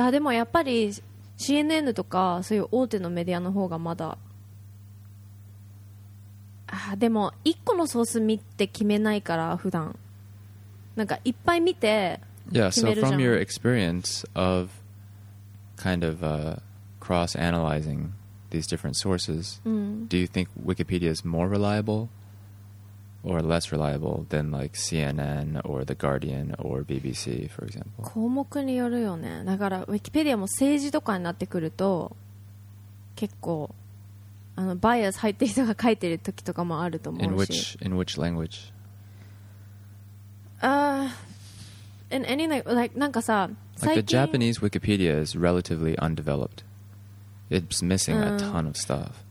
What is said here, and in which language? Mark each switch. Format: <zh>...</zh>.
<ja>あ、でもやっぱり CNN とかそういう大手のメディアの方がまだ。あ、でも一個のソース見て決めないから普段。なんかいっぱい見て決めるじゃん。</ja> <en>Yeah, so from your experience of kind of cross-analyzing... these different sources, do you think Wikipedia is more reliable or less reliable than like CNN or The Guardian or BBC, for example?</en> <ja>項目によるよね。だから Wikipedia も政治とかになってくると結構あのバイアス入ってる人が書いてる時とかもあると思うし。</ja> <en>In which language? In any language. Like, なんかさ、 like the Japanese Wikipedia is relatively undeveloped. It's missing a ton of stuff.</en>